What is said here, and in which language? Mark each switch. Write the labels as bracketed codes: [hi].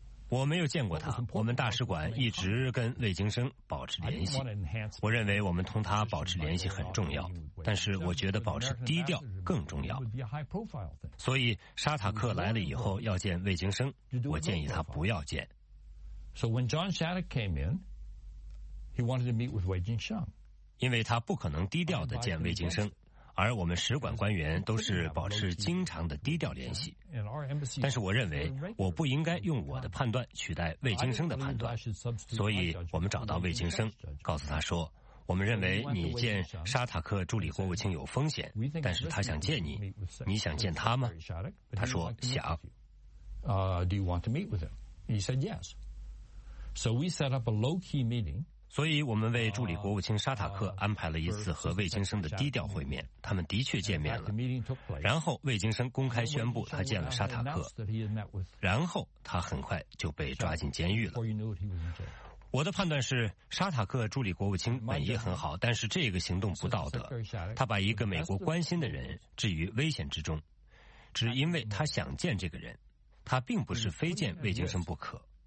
[zh] 我没有见过他，我们大使馆一直跟魏京生保持联系。我认为我们同他保持联系很重要，但是我觉得保持低调更重要。所以沙塔克来了以后要见魏京生，我建议他不要见。 [en] So when John Shattuck came in, he wanted to meet with Wei Jingsheng. [zh] 因为他不可能低调地见魏京生。而我们使馆官员都是保持经常的低调联系，但是我认为我不应该用我的判断取代魏京生的判断，所以我们找到魏京生，告诉他说，我们认为你见沙塔克助理国务卿有风险，但是他想见你，你想见他吗？他说想。 [en] Do you want to meet with him? He said yes. So we set up a low-key meeting. [zh] 所以我们为助理国务卿沙塔克安排了一次和魏京生的低调会面，他们的确见面了。然后魏京生公开宣布他见了沙塔克，然后他很快就被抓进监狱了。我的判断是，沙塔克助理国务卿本意很好，但是这个行动不道德，他把一个美国关心的人置于危险之中，只因为他想见这个人，他并不是非见魏京生不可。